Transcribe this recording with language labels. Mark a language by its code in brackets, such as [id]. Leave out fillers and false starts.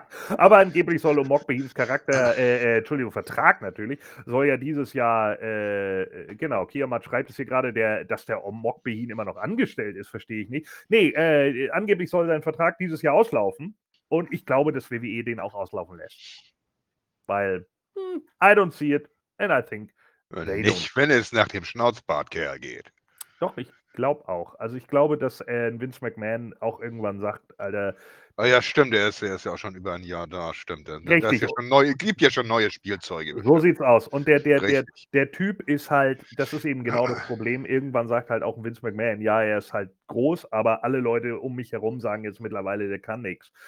[de] Aber angeblich soll Omok Behins Charakter, Vertrag natürlich, soll ja dieses Jahr, Kiamat schreibt es hier gerade, dass der Omok Behin immer noch angestellt ist, verstehe ich nicht. Nee, angeblich soll sein Vertrag dieses Jahr auslaufen und ich glaube, dass WWE den auch auslaufen lässt. Weil, [en] I don't see it and I think they don't. [de] Nicht, wenn es nach dem Schnauzbart-Kerl geht. Doch, ich glaube auch. Also ich glaube, dass Vince McMahon auch irgendwann sagt, Alter, Ah ja, stimmt, er ist ja auch schon über ein Jahr da, stimmt. Richtig. Ist ja schon neue, gibt ja schon neue Spielzeuge. So sieht's aus. Und der Typ ist halt, das ist eben genau das Problem, irgendwann sagt halt auch Vince McMahon, ja, er ist halt groß, aber alle Leute um mich herum sagen jetzt mittlerweile, der kann nichts.